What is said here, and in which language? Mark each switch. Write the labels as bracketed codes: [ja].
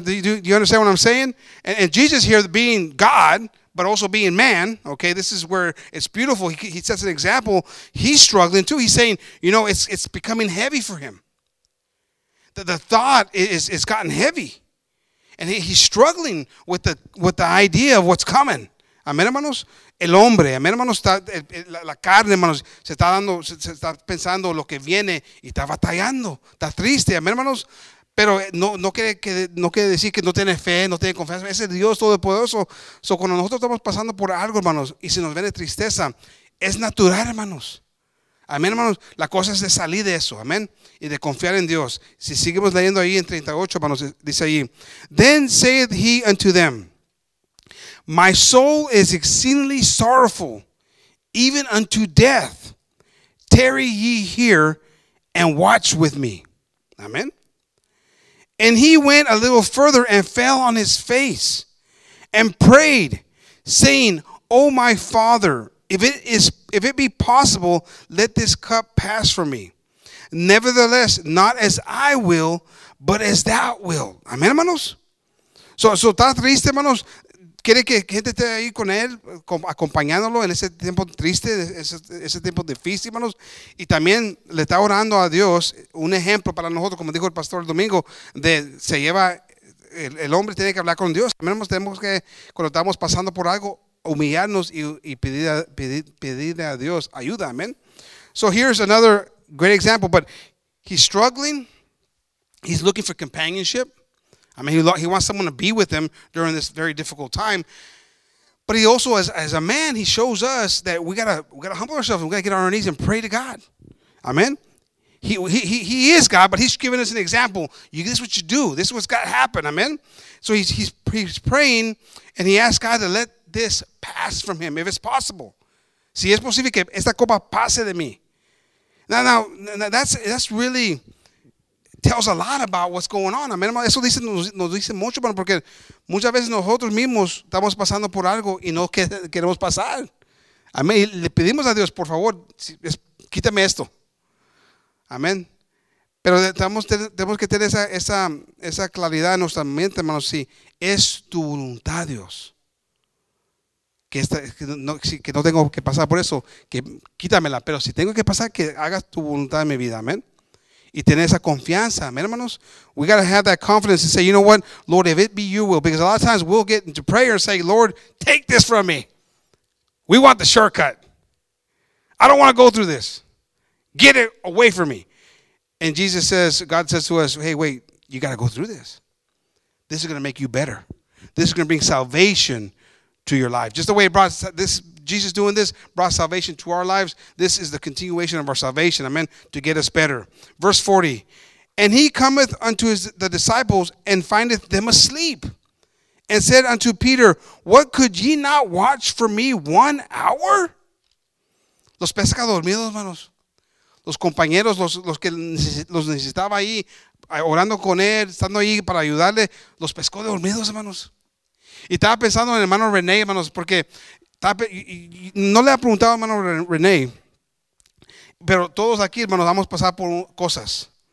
[en] Do you understand what I'm saying? And Jesus here being God, but also being man, okay, this is where it's beautiful. He sets an example. He's struggling too. He's saying, you know, it's becoming heavy for him. The thought is gotten heavy. And he's struggling with the idea of what's coming. [es] Amén, hermanos. El hombre, amén, hermanos, la carne, hermanos, se está pensando lo que viene y está batallando. Está triste, amén, hermanos. Pero no quiere decir que no tiene fe, no tiene confianza. Ese Dios Todopoderoso. So cuando nosotros estamos pasando por algo, hermanos, y se nos viene tristeza, es natural, hermanos. Amén, hermanos. La cosa es de salir de eso, amén, y de confiar en Dios. Si seguimos leyendo ahí en 38, hermanos, dice ahí, [en] then saith he unto them, my soul is exceedingly sorrowful, even unto death. Tarry ye here and watch with me. Amén. And he went a little further and fell on his face and prayed, saying, O my Father, if it be possible, let this cup pass from me. Nevertheless, not as I will, but as thou wilt. [es] Amen, hermanos. So está triste, hermanos. Quiere que gente esté ahí con él, acompañándolo en ese tiempo triste, ese tiempo difícil, hermanos. Y también le está orando a Dios, un ejemplo para nosotros, como dijo el pastor el domingo, de se lleva, el hombre tiene que hablar con Dios. También tenemos que, cuando estamos pasando por algo, humillarnos y pedirle a Dios ayuda, amén. [en] So here's another great example, but he's struggling, he's looking for companionship. I mean, he wants someone to be with him during this very difficult time. But he also, as a man, he shows us that we gotta humble ourselves. We gotta get on our knees and pray to God. Amen. He is God, but he's giving us an example. This is what you do. This is what's got to happen. Amen. So he's praying, and he asks God to let this pass from him, if it's possible. [es] Si es posible que esta copa pase de mí. [en] Now that's really tells a lot about what's going on. [es] Amén, hermano. Eso nos dice mucho, hermano, porque muchas veces nosotros mismos estamos pasando por algo y no queremos pasar. Amén. Y le pedimos a Dios, por favor, quítame esto. Amén. Pero tenemos que tener esa claridad en nuestra mente, hermano. Si es tu voluntad, Dios, que no tengo que pasar por eso, que quítamela. Pero si tengo que pasar, que hagas tu voluntad en mi vida. Amén. Y tener esa confianza, amen, hermanos. [en] We got to have that confidence and say, you know what, Lord, if it be your will. Because a lot of times we'll get into prayer and say, Lord, take this from me. We want the shortcut. I don't want to go through this. Get it away from me. And Jesus says, God says to us, hey, wait, you got to go through this. This is going to make you better. This is going to bring salvation to your life. Just the way it brought this, Jesus doing this brought salvation to our lives. This is the continuation of our salvation. Amen. To get us better. Verse 40. And he cometh unto the disciples and findeth them asleep and said unto Peter, what, could ye not watch for me 1 hour? [es] Los pescadores, mira, hermanos. Los compañeros, los que los necesitaba ahí, orando con él, estando ahí para ayudarle, los pescó de dormidos, hermanos. Y estaba pensando en hermano René, hermanos, porque no le ha preguntado a hermano René, pero todos aquí, hermanos, vamos a pasar por cosas.